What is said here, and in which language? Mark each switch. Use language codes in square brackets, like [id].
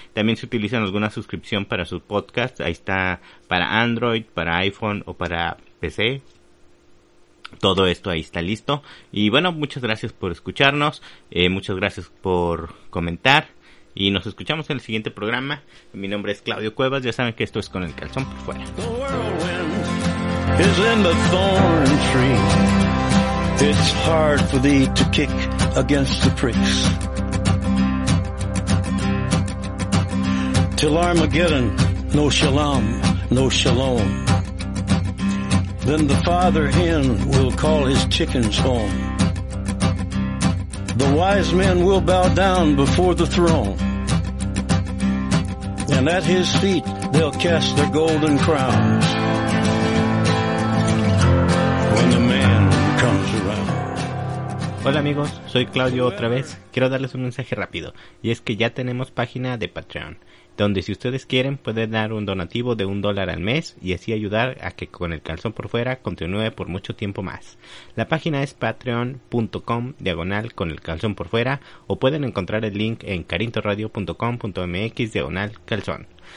[es] También se utilizan alguna suscripción para su podcast, ahí está, para Android, para iPhone o para PC. Todo esto ahí está listo. Y bueno, muchas gracias por escucharnos, muchas gracias por comentar, y nos escuchamos en el siguiente programa. Mi nombre es Claudio Cuevas, ya saben que esto es Con el Calzón por Fuera. [en] The whirlwind is in the thorn tree. It's hard for thee to kick against the pricks. Till Armageddon, no shalom, no shalom. Then the father hen will call his chickens home. The wise men will bow down before the throne. And at his feet they'll cast their golden crowns. When the man comes around. [es] Hola amigos, soy Claudio otra vez. Quiero darles un mensaje rápido. Y es que ya tenemos página de Patreon, donde si ustedes quieren pueden dar un donativo de $1 al mes y así ayudar a que Con el Calzón por Fuera continúe por mucho tiempo más. La página es patreon.com/con el calzón por fuera, o pueden encontrar el link en carintoradio.com.mx/calzón.